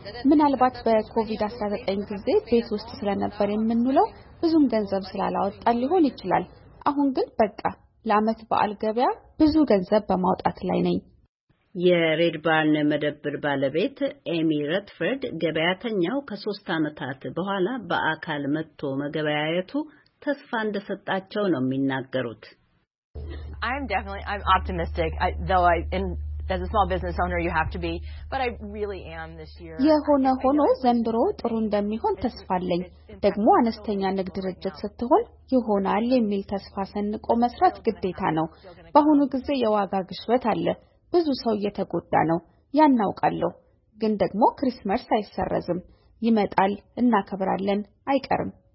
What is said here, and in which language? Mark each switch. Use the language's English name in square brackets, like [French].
[Amharic] ምናልባት በኮቪድ-19 ጊዜ ቤት ውስጥ ስለነበር የምንውለው ብዙም ገንዘብ ስላላወጣን ሊሆን ይችላል። አሁን ግን በቃ ለአመት በዓል ገበያ ብዙ ገንዘብ በማውጣት ላይ ነኝ። የሬድ ባርን መደብር ባለቤት ኤሚ ረትፈርድ ገበያተኛው ከሶስት አመታት በኋላ በአካል መጥቶ መገበያየቱ ተስፋ እንደሰጣቸው ነው የሚናገሩት። [English] As a small business owner you have to be, but I really am this year. [Amharic] የሆነ ሆኖ ዘንድሮ ጥሩ እንደሚሆን ተስፋ አለኝ። ደግሞ አነስተኛ ንግድ ድርጅት ስትሆን ይሆናል የሚል ተስፋ ሰንቆ መስራት ግዴታ ነው። በአሁኑ ጊዜ የዋጋ ግሽበት አለ። ብዙ ሰው እየተጎዳ ነው ያናውቃለሁ። ግን ደግሞ ክርስማስ አይሰረዝም፣ ይመጣል እና ከብራለን አይቀርም።